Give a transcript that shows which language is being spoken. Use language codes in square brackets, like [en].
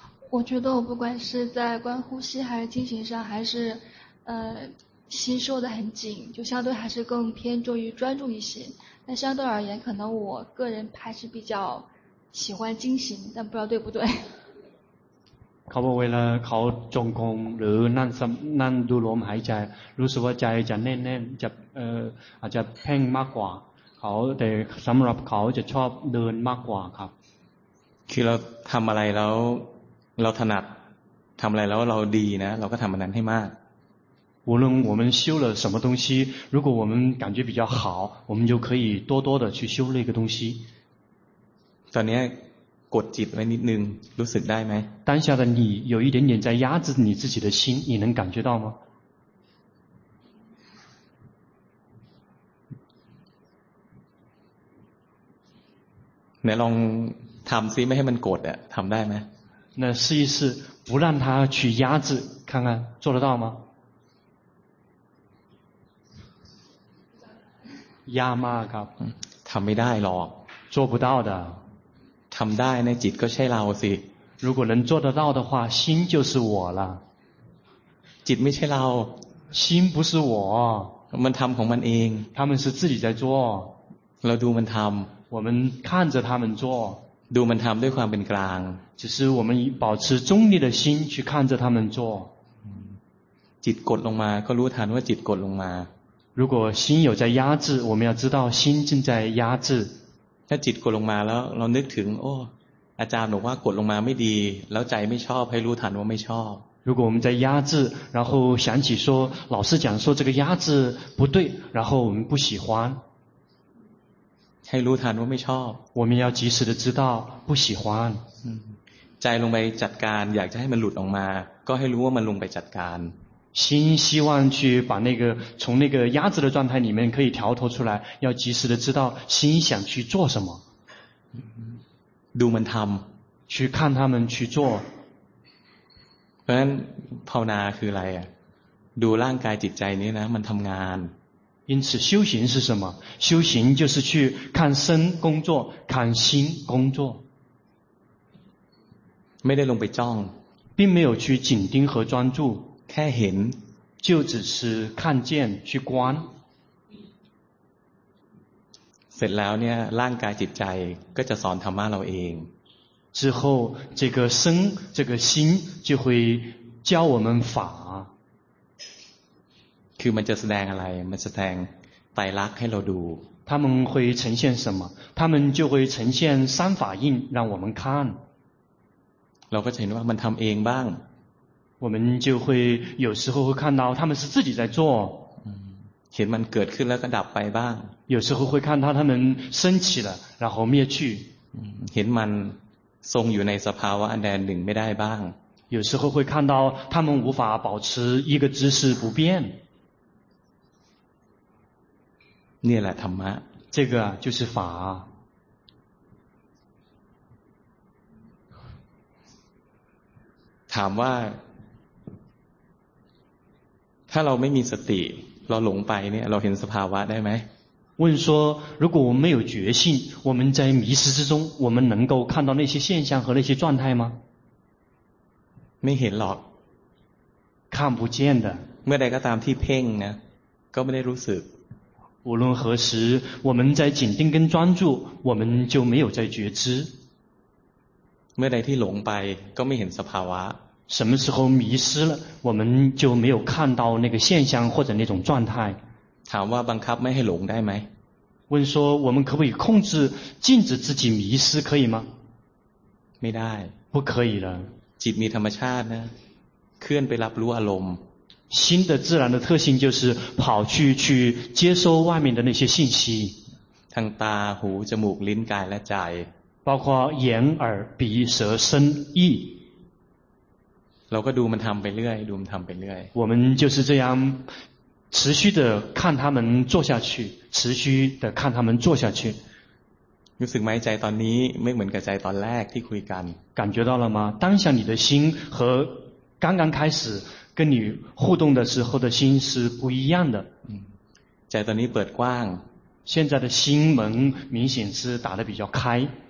[zh] 我觉得我不管是在观呼吸还是听形上还是心收得很紧就相对还是更偏重于专注一些但相对而言可能我个人还是比较喜欢精行但不知道对不对 [th] เขาบอกเวลาเขาจงกรมหรือนั่งดูลมหายใจรู้สึกว่าใจจะแน่นจะอาจจะเพ่งมากกว่าเขาแต่สำหรับเขาจะชอบเดินมากกว่าครับ คือเราทำอะไรแล้วเราถนัดทำอะไรแล้วเราดีนะเราก็ทำมันนั้นให้มาก [zh] 无论我们修了什么东西如果我们感觉比较好我们就可以多多的去修那个东西 [th] ตอนนี้กดจิตไว้นิดนึงรู้สึกได้ไหม [zh] 当下的你有一点点在压制你自己的心你能感觉到吗 [th] ไหนลองทำซิไม่ให้มันกดอ่ะทำได้ไหม [zh] 那试一试不让他去压制看看做得到吗 [th] ยากมากครับ ทำไม่ได้หรอก [zh] 做不到的 [th] ทำได้ในจิตก็ใช่เราสิ [zh] 如果能做得到的话心就是我了 [th] จิตไม่ใช่เรา [zh] 心不是我 [th] มันทำของมันเอง [zh] 他们是自己在做 [th] เราดูมันทำ [zh] 我们看着他们做 [th] ดูมันทำด้วยความเป็นกลาง [zh] 只是我们保持中立的心去看着他们做 [th] จิตกดลงมาก็รู้ทันว่าจิตกดลงมา [zh] 如果心有在压制我们要知道心正在压制 [th] ถ้าจิตกดลงมาแล้วเรานึกถึงโอ้อาจารย์บอกว่ากดลงมาไม่ดีแล้วใจไม่ชอบให้รู้ทันว่าไม่ชอบ [zh] 如果我们在压制然后想起说老师讲说这个压制不对然后我们不喜欢 [th] ให้รู้ทันว่าไม่ชอบ [zh] 我们要及时的知道不喜欢 [th] ใจลงไปจัดการอยากจะให้มันหลุดออกมาก็ให้รู้ว่ามันลงไปจัดการ [zh] 心希望去把那个从那个压制的状态里面可以调脱出来要及时的知道心想去做什么 [th] ดูมันทำ [zh] 去看他们去做。 [th] เพราะฉะนั้นภาวนาคืออะไรอ่ะดูร่างกายจิตใจนี้นะมันทำงาน [zh] 因此修行是什么修行就是去看身工作看心工作 [th] ไม่ได้ลงไปจ้อง [zh] 并没有去紧盯和专注 [th] แค่เห็น [zh] 就只是看见去观 [th] เสร็จแล้วเนี่ยร่างกายจิตใจก็จะสอนธรรมะเราเอง [zh] 之后这个身这个心就会教我们法 [th] คือมันจะแสดงอะไรมันแสดงไตรลักษณ์ให้เราดู [zh] 他们会呈现什么他们就会呈现三法印让我们看 [th] เราก็จะเห็นว่ามันทำเองบ้าง [zh] 我们就会有时候会看到他们是自己在做 [th] เห็นมันเกิดขึ้นแล้วก็ดับไปบ้าง [zh] 有时候会看到他们升起了然后灭去 [th] เห็นมันทรงอยู่ในสภาวะอันใดหนึ่งไม่ได้บ้าง [zh] 有时候会看到他们无法保持一个姿势不变 [th] นี่แหละธรรมะ [zh] 这个就是法 [th] ถามว่าถ้าเราไม่มีสติเราหลงไปเนี่ยเราเห็นสภาวะได้ไหม [zh] 问说如果我们没有觉性我们在迷失之中我们能够看到那些现象和那些状态吗 [th] ไม่เห็นหรอก [zh] 看不见的 [th] เมื่อใดก็ตามที่เพ่งนะก็ไม่ได้รู้สึก [zh] 无论何时我们在紧盯跟专注我们就没有在觉知 [th] เมื่อใดที่หลงไปก็ไม่เห็นสภาวะ [zh] 什么时候迷失了我们就没有看到那个现象或者那种状态 [th] ถามว่าบังคับไม่ให้หลงได้ไหม [zh] 问说我们可不可以控制禁止自己迷失可以吗 [th] ไม่ได้ [zh] 不可以了 [th] จิตมีธรรมชาตินะเคลื่อนไปรับรู้อารมณ์ [zh] 心的自然的特性就是跑去接收外面的那些信息 [th] ทางตาหูจมูกลิ้นกายและใจ [zh] 包括眼耳鼻舌身意 [th] เราก็ดูมันทำไปเรื่อยดูมันทำไปเรื่อย [zh] 我们就是这样持续的看他们做下去持续的看他们做下去 [th] รู้สึกไหมใจตอนนี้ไม่เหมือนกับใจตอนแรกที่คุยกัน [zh] 感觉到了吗当下你的心和刚刚开始跟你互动的时候的心是不一样的 [th] ใจตอนนี้เปิดกว้าง [zh] 现在的心门明显是打得比较开